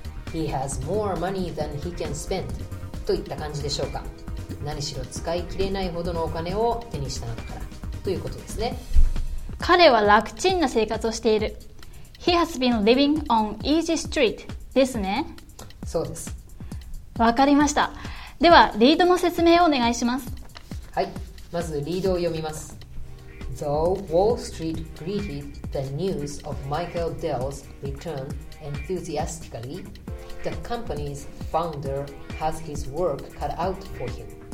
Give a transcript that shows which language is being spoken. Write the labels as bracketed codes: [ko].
[en] He has more money than he can spend. [ja] といった感じでしょうか。何しろ使い切れないほどのお金を手にしたのだからということですね。彼は楽ちんな生活をしている。 [en] He has been living on easy street [ja] ですね。そうです。わかりました。ではリードの説明をお願いします。はい、まずリードを読みます。 [en] Though Wall Street greeted the news of Michael Dell's return enthusiastically, the company's founder has his work cut out for him.